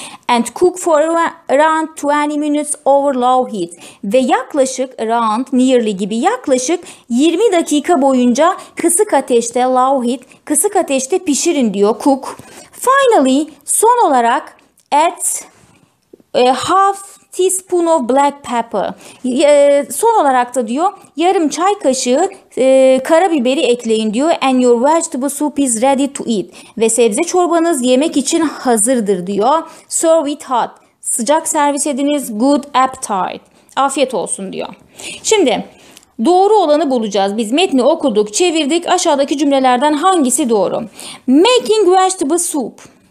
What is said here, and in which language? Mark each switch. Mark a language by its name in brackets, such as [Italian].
[English] And cook for around 20 minutes over low heat. [Turkish] Ve yaklaşık, [English] around, nearly [Turkish] gibi, yaklaşık 20 dakika boyunca kısık ateşte, [English] low heat, [Turkish] kısık ateşte pişirin diyor, cook. [English] Finally, [Turkish] son olarak [English] add half teaspoon of black pepper. [Turkish] Son olarak da diyor, yarım çay kaşığı karabiberi ekleyin diyor. [English] And your vegetable soup is ready to eat. [Turkish] Ve sebze çorbanız yemek için hazırdır diyor. [English] Serve it hot. [Turkish] Sıcak servis ediniz. [English] Good appetite. [Turkish] Afiyet olsun diyor. Şimdi doğru olanı bulacağız. Biz metni okuduk, çevirdik. Aşağıdaki cümlelerden hangisi doğru? [English] Making vegetable soup.